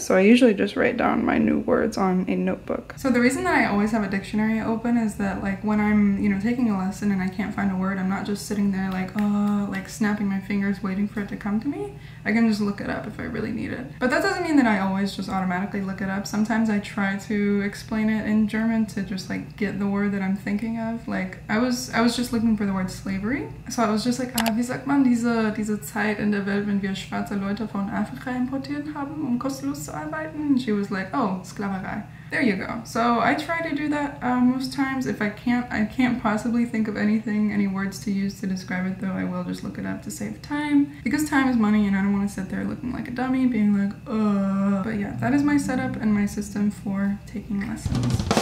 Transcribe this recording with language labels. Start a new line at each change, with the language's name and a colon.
English: So I usually just write down my new words on a notebook. So the reason that I always have a dictionary open is that like when I'm, you know, taking a lesson and I can't find a word, I'm not just sitting there like, oh, like snapping my fingers waiting for it to come to me. I can just look it up if I really need it. But that doesn't mean that I always just automatically look it up. Sometimes I try to explain it in German to just like get the word that I'm thinking of. Like I was just looking for the word slavery.
German: So I was just like, ah, wie sagt man diese Zeit in der Welt, wenn wir schwarze Leute von Afrika importiert haben, um kostenlos zu arbeiten?
English: And she was like, oh, Sklaverei. There you go. So I try to do that most times. If I can't possibly think of anything, any words to use to describe it though, I will just look it up to save time. Because time is money and I don't want to sit there looking like a dummy, being like, But yeah, that is my setup and my system for taking lessons.